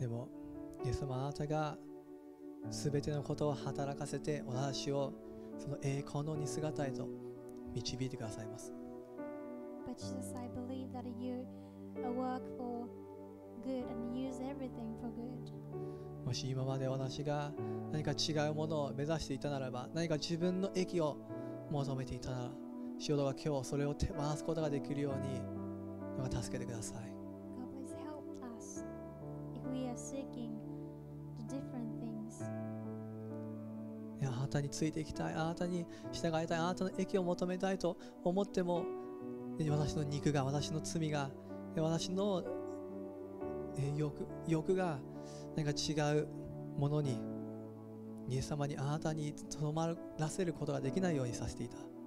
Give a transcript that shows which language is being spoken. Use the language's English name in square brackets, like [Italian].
[Japanese] でも、イエス様、あなたが全てのことを働かせて、私をその栄光の似姿へと導いてくださいます。 [English] But Jesus, I believe that you work for good and use everything for good. [Japanese] もし今まで私が何か違うものを目指していたならば、何か自分の益を求めていたなら、主よ、が今日それを手放すことができるように助けてください。 [English] God, please help us if we are seeking the different things. [Japanese] あなたについていきたい、あなたに従いたい、あなたの益を求めたいと思っても、私の肉が、私の罪が、私の 欲が何か違うものに、イエス様に、あなたにとどまらせることができないようにさせていた。